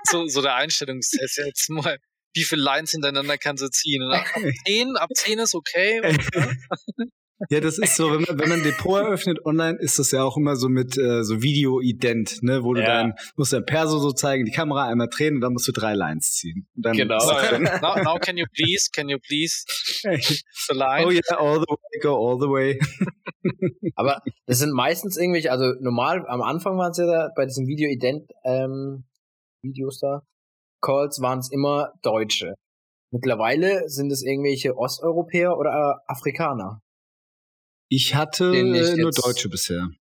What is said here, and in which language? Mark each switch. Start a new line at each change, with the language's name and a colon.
German: So der Einstellungstest jetzt mal. Wie viele Lines hintereinander kannst du ziehen? Und ab 10 ist okay. Ja, das ist so, wenn man ein Depot eröffnet online, ist das ja auch immer so mit so Video-Ident, ne? Wo du musst dein Perso so zeigen, die Kamera einmal drehen, und dann musst du 3 Lines ziehen. Dann genau.
English: Now can you please the line? Oh yeah, all the way, go all the way.
German: Aber das sind meistens irgendwelche, also normal, am Anfang waren es ja da bei diesen Video-Ident-Videos da. Calls waren es immer Deutsche. Mittlerweile sind es irgendwelche Osteuropäer oder Afrikaner. Ich hatte nur Deutsche bisher.